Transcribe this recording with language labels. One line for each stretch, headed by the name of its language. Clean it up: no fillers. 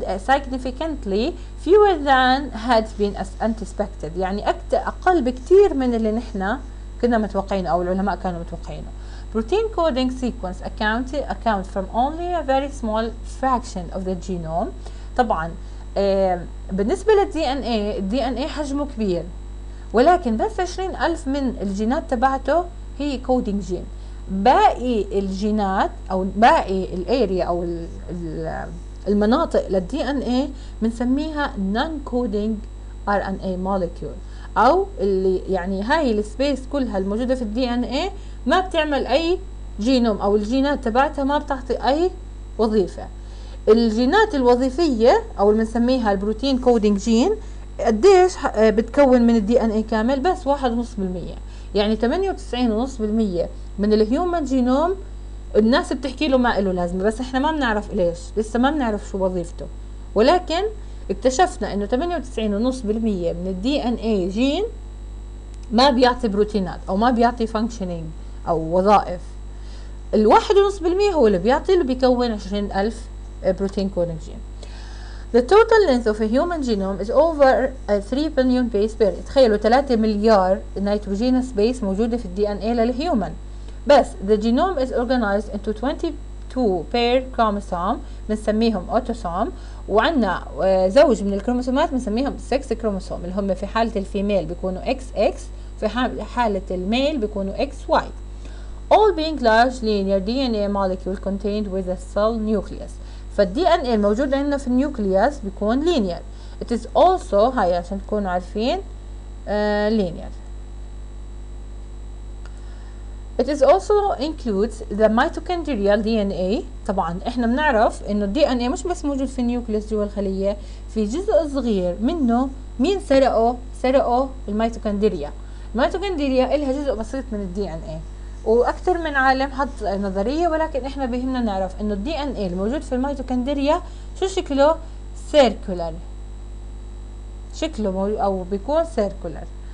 English: significantly fewer than had been anticipated،
Arabic: يعني اقل بكثير من اللي نحن كنا متوقعين او العلماء كانوا متوقعينه.
English: Protein coding sequence account from only a very small fraction of the genome.
Arabic: طبعا بالنسبة للدي ان اي، الدي ان اي حجمه كبير ولكن بس 20,000 من الجينات تبعته هي كودينج جين، باقي الجينات او باقي الاريا او المناطق للدي ان اي بنسميها نون كودينج ار ان اي موليكيول، او اللي يعني هاي السبيس كلها الموجودة في الدي ان اي ما بتعمل اي جينوم او الجينات تبعتها ما بتعطي اي وظيفة. الجينات الوظيفية او اللي بنسميها البروتين كودينج جين قديش بتكون من الدي ان اي كامل؟ بس 1.5%، يعني 98.5% من الهيومن جينوم الناس بتحكي له ما له لازمة، بس احنا ما بنعرف ليش، لسه ما بنعرف شو وظيفته. ولكن اكتشفنا انه 98.5% من الدي ان اي جين ما بيعطي بروتينات او ما بيعطي فانكشنينج او وظائف. 1.5% هو اللي بيعطي اللي بيكون 20,000 بروتين كودينج جين.
English: The total length of a human genome is over 3 billion base pairs.
Arabic: تخيلوا 3 مليار نيتروجين سبيس موجودة في الدي ان اي للهيومن. بس
English: the genome is organized into 22 pair chromosome
Arabic: بنسميهم اوتوسوم، وعندنا زوج من الكروموسومات بنسميهم سكس كروموسوم، اللي هم في حالة الفيميل بيكونوا اكس اكس، في حالة الميل بيكونوا اكس واي.
English: All being large linear DNA molecule contained with a cell nucleus.
Arabic: فالدي ان اي الموجود عندنا في النيوكلياس بيكون لينير.
English: It is also
Arabic: هاي عشان تكونوا عارفين لينير.
English: It is also includes the mitochondrial DNA.
Arabic: طبعا احنا بنعرف انه الدي ان اي مش بس موجود في النيوكلياس جوا الخلية، في جزء صغير منه مين سرقه؟ سرقه الميتوكوندريا. الميتوكوندريا لها جزء بسيط من الدي ان اي، واكثر من عالم حط نظريه، ولكن احنا بيهمنا نعرف انه الدي ان اي الموجود في الميتوكوندريا شو شكله؟ سيركولر، شكله او بيكون سيركولر.